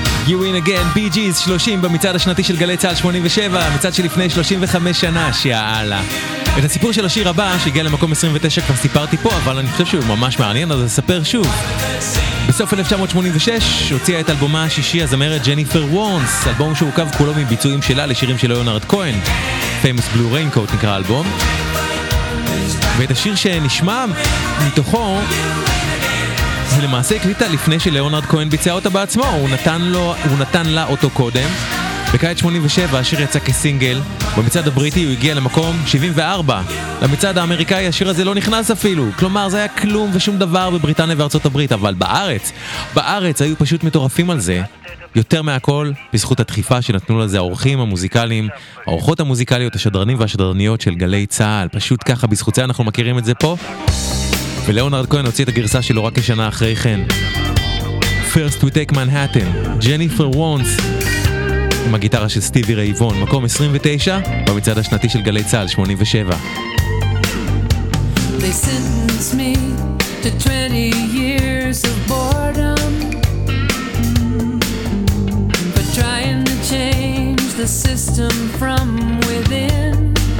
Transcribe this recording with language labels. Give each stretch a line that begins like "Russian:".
Hebrew: You Win Again, BG's 30 במצעד השנתי של גלי צהל 87, המצעד שלפני 35 שנה, שיעלה. את הסיפור של השיר הבא, שהגיע למקום 29, כבר סיפרתי פה, אבל אני חושב שהוא ממש מעניין, אז אספר שוב. בסוף 1986, הוציאה את אלבומה השישי, הזמרת ג'ניפר וורנס, אלבום שהורכב כולו מביצועים שלה לשירים של ליאונרד כהן. Famous Blue Raincoat נקרא אלבום. ואת השיר שנשמע מתוכו, זה למעשה הקליטה לפני שלאונרד כהן ביצע אותה בעצמו, הוא נתן לה אותו קודם. בקיץ 87 השיר יצא כסינגל, במצעד הבריטי הוא הגיע למקום 74. למצעד האמריקאי השיר הזה לא נכנס אפילו, כלומר זה היה כלום ושום דבר בבריטניה וארצות הברית, אבל בארץ היו פשוט מטורפים על זה, יותר מהכל בזכות הדחיפה שנתנו לזה האורחים המוזיקליים, האורחות המוזיקליות, השדרנים והשדרניות של גלי צהל, פשוט ככה בזכות זה אנחנו מכירים את זה פה. ולאונרד כהן הוציא את הגרסה שלו רק כשנה אחרי כן. First We Take Manhattan, Jennifer Wants, עם הגיטרה של סטיבי רייבון, מקום 29 במצעד השנתי של גלי צהל 87.
English: They sentence me to 20 years of boredom, but trying to change the system from within.